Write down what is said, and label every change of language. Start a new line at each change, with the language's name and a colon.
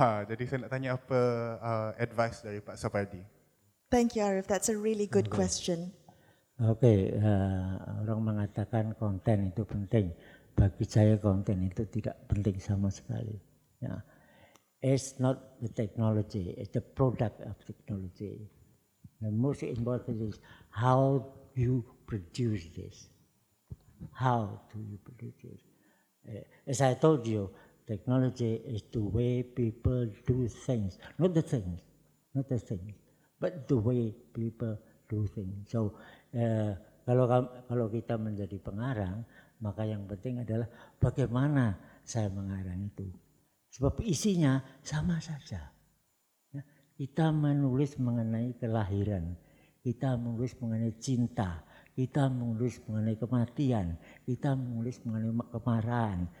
Malay: Jadi saya nak tanya apa advice dari Pak Sapardi.
English: Thank you, Arif. That's a really good question.
Indonesian: Okay. Orang mengatakan konten itu penting. Bagi saya konten itu tidak penting sama sekali.
English: Yeah. It's not the technology. It's the product of technology. The most important is how you produce this? How do you produce it? As I told you, technology is the way people do things. Not the things, not the things, but the way people do things.
Indonesian: So, kalau kita menjadi pengarang, maka yang penting adalah bagaimana saya mengarang itu. Sebab isinya sama saja. Ya, kita menulis mengenai kelahiran, kita menulis mengenai cinta, kita menulis mengenai kematian, kita menulis mengenai kemarahan.